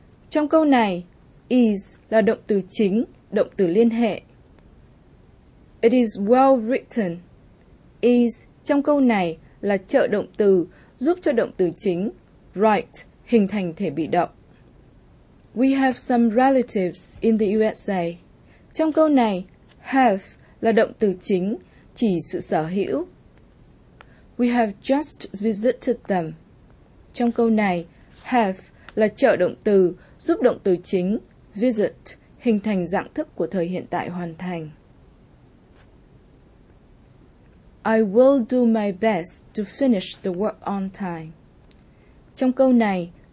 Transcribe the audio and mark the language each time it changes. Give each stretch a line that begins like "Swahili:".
Vietnamese: Trong câu này, is là động từ chính, động từ liên hệ.
English: It is well written.
Vietnamese: Is trong câu này là trợ động từ giúp cho động từ chính write hình thành thể bị động.
English: We have some relatives in the USA.
Vietnamese: Trong câu này, have là động từ chính, chỉ sự sở hữu.
English: We have just visited them.
Vietnamese: Trong câu này, have là trợ động từ giúp động từ chính visit hình thành dạng thức của thời hiện tại hoàn thành.
English: I will do my best to finish the work on time.
Vietnamese: Trong câu này,